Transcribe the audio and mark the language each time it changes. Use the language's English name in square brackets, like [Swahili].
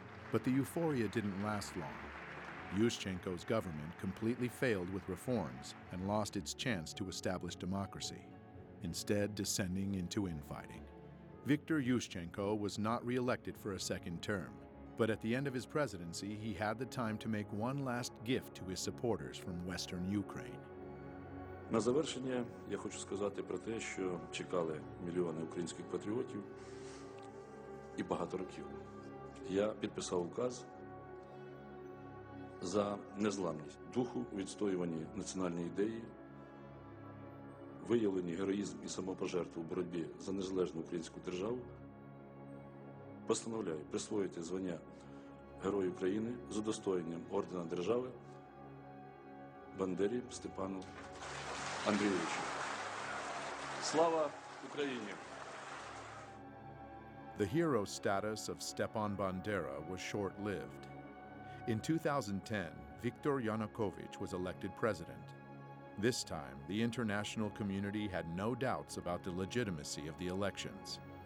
[English] But the euphoria didn't last long. Yushchenko's government completely failed with reforms and lost its chance to establish democracy, instead descending into infighting. Viktor Yushchenko was not re-elected for a second term, but at the end of his presidency, he had the time to make one last gift to his supporters from Western Ukraine. [Ukrainian] На завершення я хочу сказати про те, що чекали мільйони українських патріотів і багато років. Я підписав указ за незламність духу, відстоюванні національної ідеї, виявлені героїзм і самопожертву в боротьбі за незалежну українську державу. Постановляю присвоїти звання Герой України з удостоєнням Ордена Держави Бандері Степану Андрійовичу. Слава Україні! [English] The hero status of Stepan Bandera was short-lived. In 2010, Viktor Yanukovych was elected president. This time, the international community had no doubts about the legitimacy of the elections.